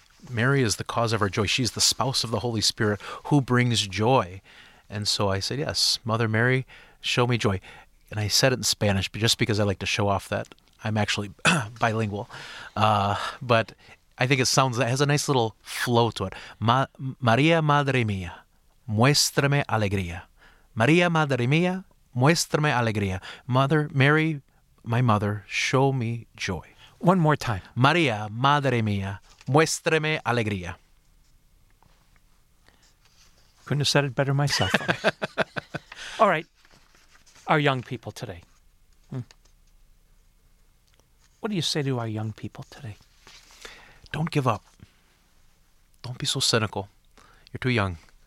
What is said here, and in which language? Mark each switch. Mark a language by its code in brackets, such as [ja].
[en] Mary is the cause of our joy. She's the spouse of the Holy Spirit who brings joy. And so I said, yes, Mother Mary, show me joy. And I said it in Spanish, but just because I like to show off that I'm actually bilingual. But I think it sounds, it has a nice little flow to it. [es] Maria Madre Mia, muéstrame alegría. Maria Madre Mia, muéstrame alegría. [en] Mother Mary, my mother, show me joy. One more time. [es] Maria Madre Mia, muéstrame alegría. [en] Couldn't have said it better myself. All right. Our young people today. What do you say to our young people today? Don't give up. Don't be so cynical. You're too young.